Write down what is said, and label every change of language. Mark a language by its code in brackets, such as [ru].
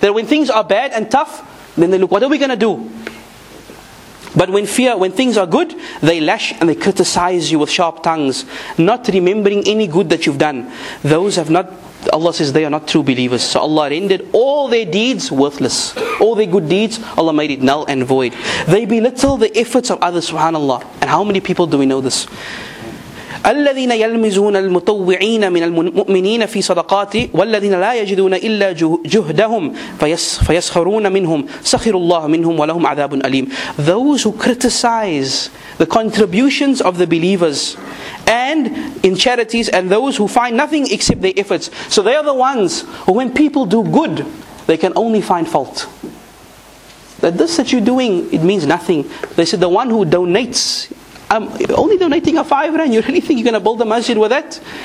[en] That when things are bad and tough, then they look, what are we going to do? But when things are good, they lash and they criticize you with sharp tongues, not remembering any good that you've done. Those have not, Allah says, they are not true believers. So Allah rendered all their deeds worthless. All their good deeds, Allah made it null and void. They belittle the efforts of others, subhanAllah. And how many people do we know this? [ar] الذين يلمزون المتطوعين من المؤمنين في صدقات والذين لا يجدون إلا جهدهم فيسخرون منهم سخر الله منهم ولهم عذاب أليم. [en] Those who criticize the contributions of the believers and in charities, and those who find nothing except their efforts. So they are the ones who, when people do good, they can only find fault. That this that you're doing, it means nothing. They said the one who donates, I'm only donating a 5 rand, you really think you're going to build the masjid with that?